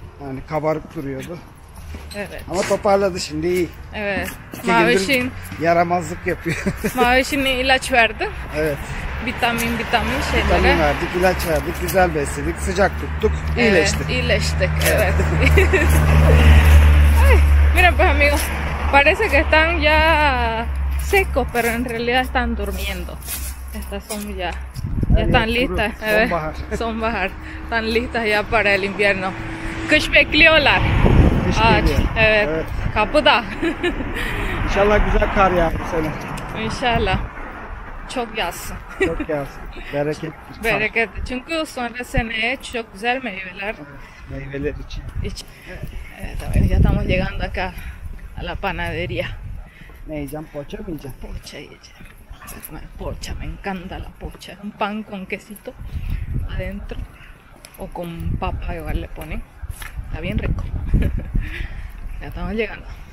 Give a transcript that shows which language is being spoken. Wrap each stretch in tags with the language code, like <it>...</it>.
<tr>Yani kabarık duruyordu. Evet. Ama toparladı şimdi, iyi. Evet. İki Mavişin yaramazlık yapıyor. Mavişin ilaç verdi. Evet. Vitamin şeyleri. Vitamin verdik, ilaç verdik, güzel besledik, sıcak tuttuk, iyileştik. Evet, iyileştik, evet.</tr> <es>Ay, mira pues amigos, parece que están ya secos, pero en realidad están durmiendo. Estas son ya, ya están listas.</es> <tr>Evet. Son bahar.</tr> <es>Están listas ya para el invierno. Kış bekliyorlar. Kış ağaç, evet. Kapıda. İnşallah güzel kar yağar bu sene. İnşallah. Çok yazsın. Çok yazsın. Bereket. Bereket. Çünkü sonra seneye çok güzel meyveler. Evet, meyveler için.</es> <tr>Evet,</tr> <es>ya estamos llegando acá a la panadería.</es> <tr>Ne yiyeceğim? Poğaça mı yiyeceğim? Poğaça yiyeceğim.</tr> <es>Poğaça, me encanta la poğaça. Un pan con quesito adentro. O con papa igual le ponen. Está bien rico. Ya estamos llegando.</es>